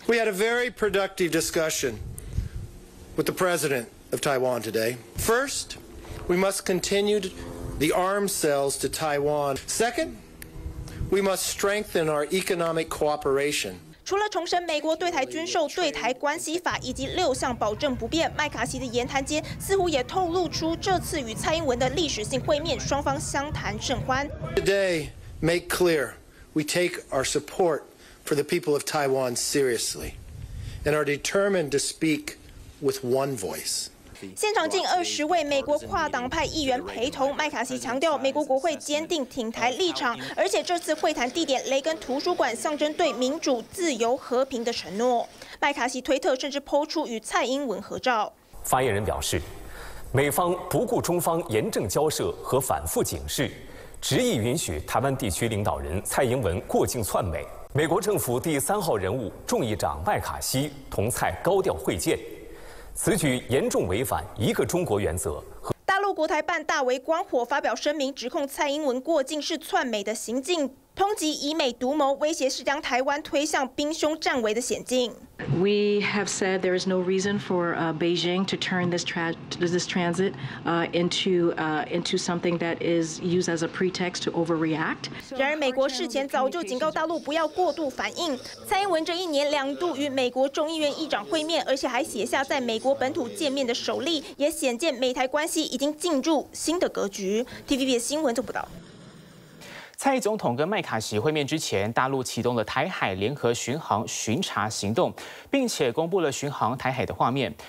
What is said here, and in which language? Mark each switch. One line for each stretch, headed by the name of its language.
English: We had a very productive discussion with the president of Taiwan today. First, we must continue the arms sales to Taiwan. Second, we must strengthen our economic cooperation.
Chinese: 除了重申美国对台军售、对台关系法以及六项保证不变，麦卡锡的言谈间似乎也透露出这次与蔡英文的历史性会面，双方相谈甚欢。
English: Today, make clear we take our support for the people of Taiwan seriously, and are determined to speak with one voice.
Chinese: 现场近20位美国跨党派议员陪同，麦卡锡强调美国国会坚定挺台立场，而且这次会谈地点雷根图书馆象征对民主、自由、和平的承诺。麦卡锡推特甚至PO出与蔡英文合照。发言人表示，美方不顾中方严正交涉和反复警示，执意允许台湾地区领导人蔡英文过境窜美。美国政府第三号人物众议长麦卡锡同蔡高调会见，此举严重违反一个中国原则。大陆国台办大为光火，发表声明指控蔡英文过境是窜美的行径，抨击以美独谋，威胁是将台湾推向兵凶战危的险境。
English: We have said there is no reason for Beijing to turn this transit into something that is used as a pretext to overreact.
Chinese: 然而，美国事前早就警告大陆不要过度反应。蔡英文这一年两度与美国众议院议长会面，而且还写下在美国本土见面的首例，也显见美台关系已经进入新的格局。 TVBS 新闻做不到。蔡总统跟麦卡锡会面之前，大陆启动了台海联合巡航巡查行动，并且公布了巡航台海的画面。